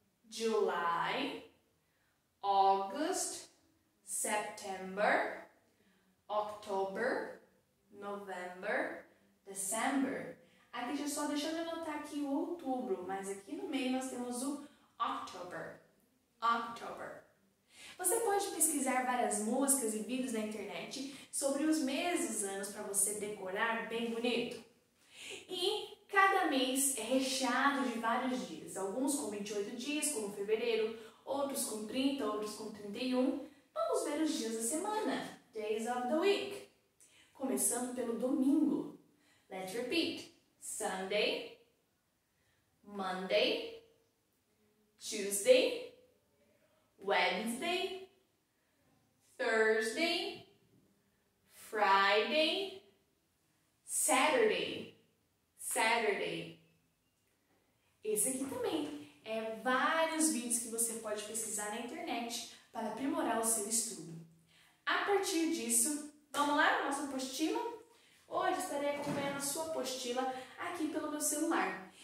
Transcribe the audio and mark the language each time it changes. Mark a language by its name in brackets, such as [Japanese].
[English] July, August, September, October, November, December. [Portuguese] Aqui já só deixando eu anotar aqui o outubro, mas aqui no meio nós temos o October. October. Você pode pesquisar várias músicas e vídeos na internet sobre os meses, anos, para você decorar bem bonito. E cada mês é recheado de vários dias, alguns com 28 dias, como fevereiro, outros com 30, outros com 31. Vamos ver os dias da semana, [English] days of the week. [Portuguese] Começando pelo domingo. [English] Let's repeat. Sunday, Monday, Tuesday, Wednesday, Thursday, Friday, Saturday. Saturday. [Portuguese] Esse aqui também é vários vídeos que você pode pesquisar na internet para aprimorar o seu estudo. A partir disso, vamos lá na nossa apostila? Hoje estarei acompanhando a sua apostila aqui pelo meu celular.